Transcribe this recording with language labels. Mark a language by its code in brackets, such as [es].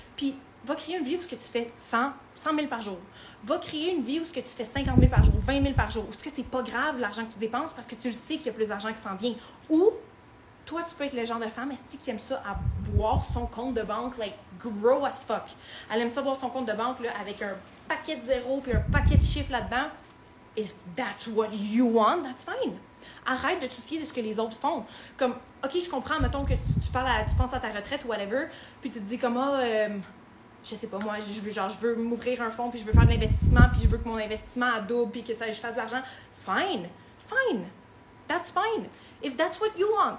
[fr] Puis va créer une vie où ce que tu fais 100 000 par jour. Va créer une vie où ce que tu fais 50 000 par jour, 20 000 par jour. Où ce que c'est pas grave l'argent que tu dépenses parce que tu le sais qu'il y a plus d'argent qui s'en vient. Ou toi, tu peux être le genre de femme, est-ce qui aime ça à voir son compte de banque, [en] like, grow as fuck. [fr] Elle aime ça voir son compte de banque là, avec un paquet de zéros puis un paquet de chiffres là-dedans. [en] If that's what you want, that's fine. [fr] Arrête de te soucier de ce que les autres font. Comme, OK, je comprends, mettons que tu penses à ta retraite ou whatever, puis tu te dis comme, je sais pas moi, je veux m'ouvrir un fonds, puis je veux faire de l'investissement, puis je veux que mon investissement double, puis que ça, je fasse de l'argent. [en] Fine. That's fine. If that's what you want.